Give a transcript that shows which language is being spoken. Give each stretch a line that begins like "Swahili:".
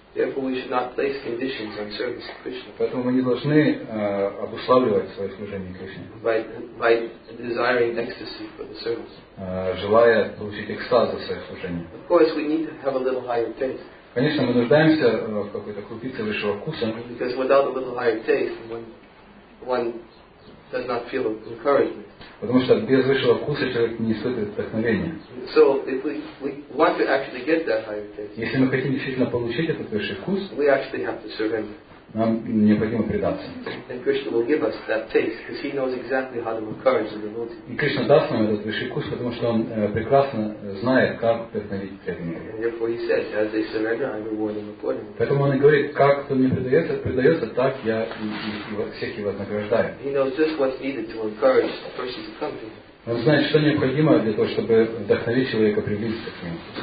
English: Therefore, we should not place conditions on service to Krishna.
Russian: Поэтому мы не должны обуславливать свое служение Кришне.
English: By desiring ecstasy for the service.
Russian: Желая получить экстаз за свое служение.
English: Of course, we need to have a little higher taste.
Russian: Конечно, мы нуждаемся в какой-то крупице высшего вкуса.
English: Because without a little higher taste, one does not feel encouragement.
Russian: Потому что без высшего вкуса человек не испытывает вдохновения.
English: So if we want to actually get that higher taste,
Russian: если мы хотим действительно получить этот высший вкус,
English: we actually have to surrender.
Russian: нам необходимо предаться.
English: And Krishna will give us that taste, because he knows exactly how to encourage the devotee.
Russian: И Кришна даст нам этот высший вкус, потому что он прекрасно знает, как вдохновить преданных.
English: And therefore he says, as they surrender, I reward them accordingly.
Russian: Поэтому он и говорит, как кто мне предается, так я и всех его вознаграждаю.
English: He knows just what's needed to encourage a person to come to him.
Russian: Он знает, что необходимо для того, чтобы вдохновить человека приблизиться к нему.